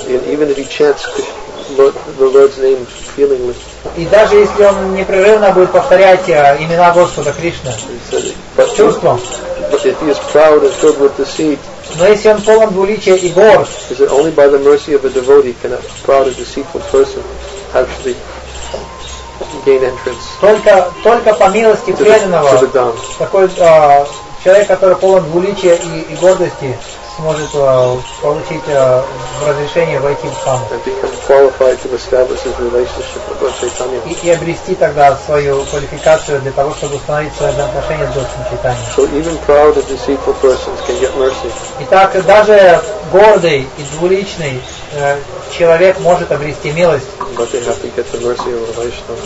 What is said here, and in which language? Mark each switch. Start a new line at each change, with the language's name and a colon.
English: even if he chants the Lord's name feelingly,
Russian: и даже если он непрерывно будет повторять имена Господа Кришны с чувством,
English: but if he is proud and filled with deceit,
Russian: но если он полон двуличия и горд,
English: is it only by the mercy of a devotee can a proud and deceitful person actually gain entrance?
Russian: Только по милости преданного такой человек, который полон двуличия и гордости, сможет получить разрешение войти в Дхам.
English: And become qualified to establish his relationship with Lord Chaitanya.
Russian: И обрести тогда свою квалификацию для того, чтобы установить свои отношения с Господом Чайтаньей.
English: So even proud and deceitful persons can get mercy.
Russian: Итак, даже гордый и двуличный человек может обрести милость.
English: But they have to get the mercy of Vaishnava.